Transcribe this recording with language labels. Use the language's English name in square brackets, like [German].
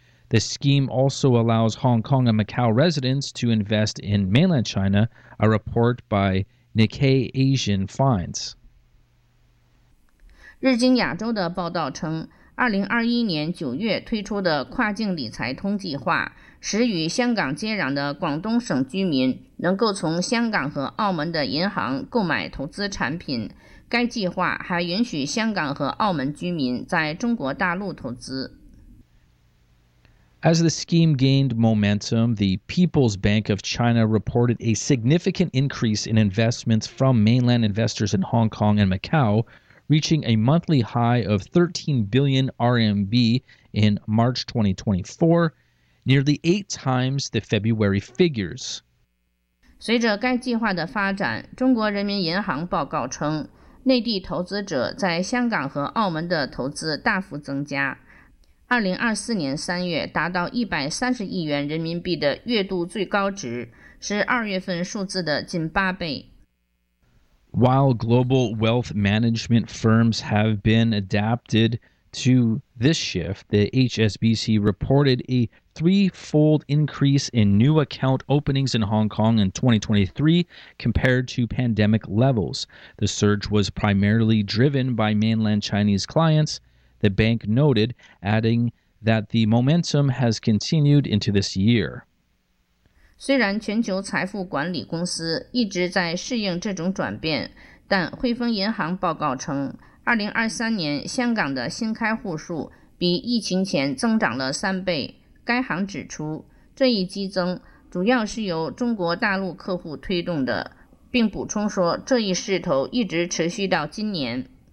[English] The scheme also allows Hong Kong and Macau residents to invest in mainland China, a report by Nikkei Asian finds. [Chinese] 日经亚洲的报道称，2021年9月推出的跨境理财通计划，使与香港接壤的广东省居民能够从香港和澳门的银行购买投资产品。该计划还允许香港和澳门居民在中国大陆投资。 [English] As the scheme gained momentum, the People's Bank of China reported a significant increase in investments from mainland investors in Hong Kong and Macau, reaching a monthly high of 13 billion RMB in March 2024, nearly 8 times the February figures. [Chinese] 随着该计划的发展，中国人民银行报告称，内地投资者在香港和澳门的投资大幅增加。 2024年3月达到130亿元人民币的月度最高值，是2月份数字的近8倍。 [English] While global wealth management firms have been adapted to this shift, the HSBC reported a threefold increase in new account openings in Hong Kong in 2023 compared to pandemic levels. The surge was primarily driven by mainland Chinese clients,The bank noted, adding that the momentum has continued into this year. [Chinese] 虽然全球财富管理公司一直在适应这种转变，但汇丰银行报告称，2023年香港的新开户数比疫情前增长了三倍。该行指出，这一激增主要是由中国大陆客户推动的，并补充说，这一势头一直持续到今年。